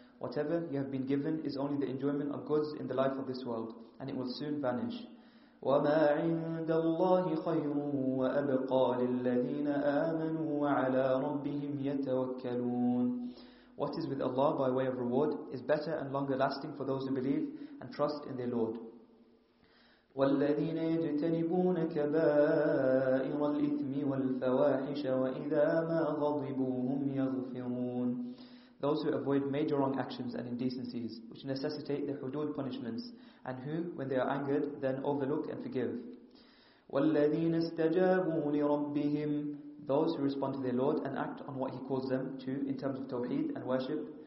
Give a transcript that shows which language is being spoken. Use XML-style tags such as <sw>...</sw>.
<en>Whatever you have been given is only the enjoyment of goods in the life of this world, and it will soon vanish.</en> <ar>وَمَا عِندَ اللَّهِ خَيْرٌ وَأَبْقَى لِلَّذِينَ آمَنُوا وَعَلَىٰ رَبِّهِمْ يَتَوَكَّلُونَ.</ar> <en>What is with Allah by way of reward is better and longer lasting for those who believe and trust in their Lord.</en> <ar>والذين يجتنبون كبائر الإثم والفواحش وإذا ما غضبوا هم يغفرون.</ar> <en>Those who avoid major wrong actions and indecencies, which necessitate the hudud punishments, and who, when they are angered, then overlook and forgive.</en> <ar>وَالَّذِينَ اسْتَجَابُوا لِرَبِّهِمْ</ar> <en>Those who respond to their Lord and act on what He calls them to in terms of tawheed and worship.</en>